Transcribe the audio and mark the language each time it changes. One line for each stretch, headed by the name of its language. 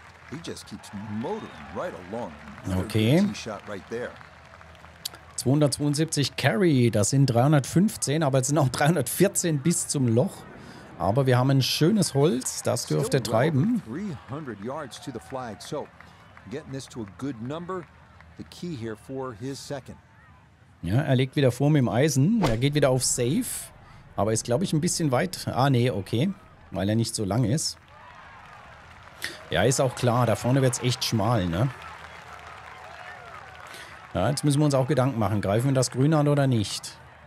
English: He just keeps motoring right along. Okay. Shot right there.
German: 272 Carry, das sind 315, aber es sind auch 314 bis zum Loch. Aber wir haben ein schönes Holz, das dürfte treiben.
English: 300 yards to the flag, so getting this to a good number, the key here for his second.
German: Ja, er legt wieder vor mit dem Eisen, er geht wieder auf Safe, aber ist, glaube ich, ein bisschen weit. Ah, nee, okay, weil er nicht so lang ist. Ja, ist auch klar, da vorne wird es echt schmal, ne? Ja, jetzt müssen wir uns auch Gedanken machen. Greifen wir das Grün an oder nicht?